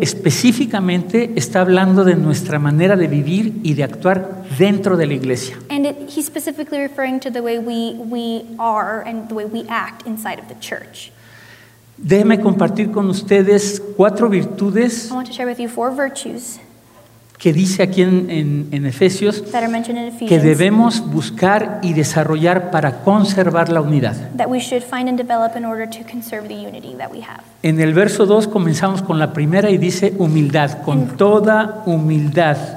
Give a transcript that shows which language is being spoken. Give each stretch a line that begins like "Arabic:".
Spanish: Específicamente está hablando de nuestra manera de vivir y de actuar dentro de la iglesia.
English: And he's specifically referring to the way we are and the way we act inside of the church.
Spanish: Déjenme compartir con ustedes cuatro virtudes.
English: I want to share with you four virtues.
Spanish: Que dice aquí en Efesios,
English: that are mentioned in Ephesians,
Spanish: que debemos buscar y desarrollar para conservar la unidad.
English: That we should find and develop in order to conserve the unity that we have.
Spanish: En el verso 2 comenzamos con la primera y dice humildad, con toda humildad.